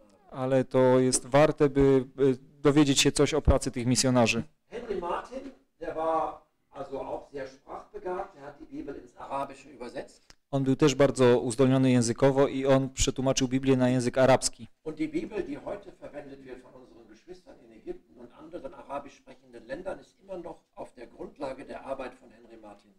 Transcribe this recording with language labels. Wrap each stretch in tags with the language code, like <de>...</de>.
<pl>Ale to jest warte, by dowiedzieć się coś o pracy tych misjonarzy.</pl> <de>Henry Martin, der war also auch sehr sprachbegabt, der hat die Bibel ins Arabische übersetzt.</de> <pl>On był też bardzo uzdolniony językowo i on przetłumaczył Biblię na język arabski.</pl> <de>Und die Bibel, die heute verwendet wird von unseren Geschwistern in Ägypten und anderen arabisch sprechenden Ländern, ist immer noch auf der Grundlage der Arbeit von Henry Martin.</de>